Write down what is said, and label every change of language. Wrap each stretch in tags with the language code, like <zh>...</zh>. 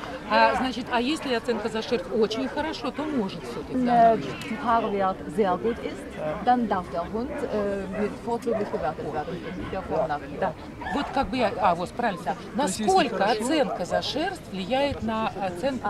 <ru>А, значит, а если оценка за шерсть очень хорошо, то может все-таки. Нет, если</ru> <de>Haarwert sehr gut ist, dann darf der Hund mit vorzüglich bewertet werden.</de> <ru>Да. Вот как бы я, а вот правильно. Насколько оценка за шерсть влияет на оценку</ru>